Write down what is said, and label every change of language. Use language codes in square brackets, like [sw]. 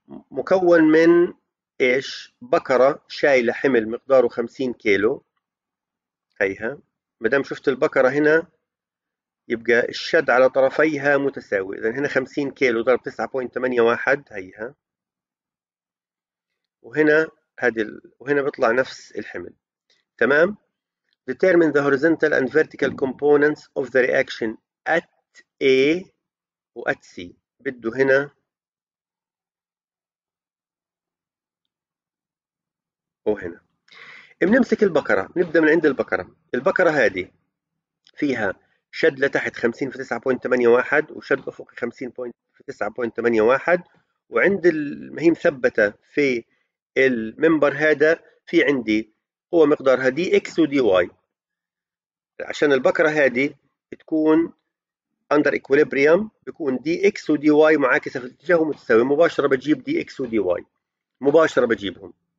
[ar] مكون من إيش؟ بكرة شايلة حمل مقداره 50 كيلو، هيها مدام شفت البكرة هنا، يبقى الشد على طرفيها متساوي، إذا هنا 50 كيلو ضرب 9.81، هيها وهنا وهنا بيطلع نفس الحمل، تمام. [en] Determine the horizontal and vertical components of the reaction at A و at C. [ar] بده هنا وهنا بنمسك البكرة، نبدأ من عند البكرة. البكرة هذه فيها شد لتحت 50 في 9.81، وشد أفقي 50 في 9.81، وعند هي مثبتة في الممبر هذا، في عندي قوة مقدارها دي اكس ودي واي، عشان البكرة هذه تكون under equilibrium بيكون دي اكس ودي واي معاكسة في الاتجاه ومتساوي، مباشرة بجيب دي اكس ودي واي مباشرة بجيبهم.